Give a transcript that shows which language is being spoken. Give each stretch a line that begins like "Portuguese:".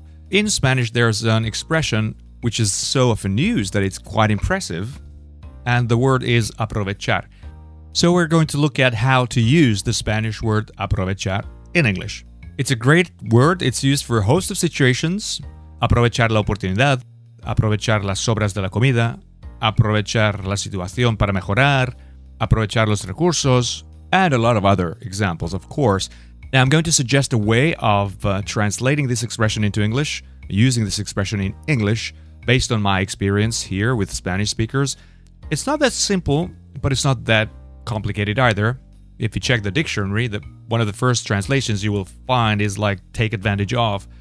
English: In Spanish, there's an expression which is so often used that it's quite impressive, and the word is aprovechar. So we're going to look at how to use the Spanish word aprovechar in English. It's a great word. It's used for a host of situations.
Spanish: Aprovechar la oportunidad, aprovechar las sobras de la comida, aprovechar la situación para mejorar, aprovechar los recursos,
English: and a lot of other examples, of course. Now I'm going to suggest a way of translating this expression into English, using this expression in English, based on my experience here with Spanish speakers. It's not that simple, but it's not that complicated either. If you check the dictionary, one of the first translations you will find is like take advantage of.